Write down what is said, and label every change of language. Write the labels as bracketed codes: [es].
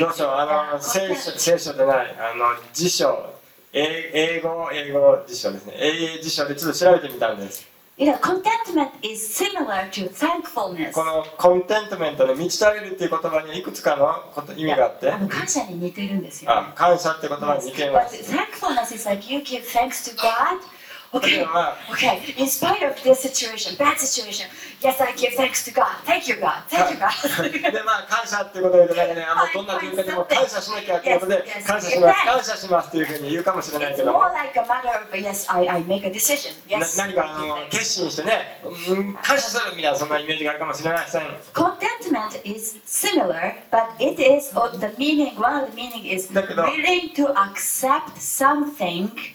[ja] どうしよう、聖書でない、辞書。英語辞書ですね。でちょっと調べてみたんです。 [en] You know, contentment is similar to thankfulness. [ja] このコンテントメントの満ち足りるっていう言葉にいくつかの意味があって。感謝に似てるんですよ、ね。感謝って言葉に似てます。 [en] But thankfulness is like you give thanks to God. Okay. In spite of this situation, bad situation, yes, I give thanks to God. Thank you, God. [ja] で、感謝ってことでね、どんな状況でも感謝しなきゃということで、感謝しますというふうに言うかもしれないけど。 [en] It's more like a matter of, yes, I make a decision. Yes. [ja] 何か決心してね、感謝するみたいなそんなイメージがあるかもしれません。 [en] Contentment is similar, but it is the meaning. One of the meaning is willing to accept something.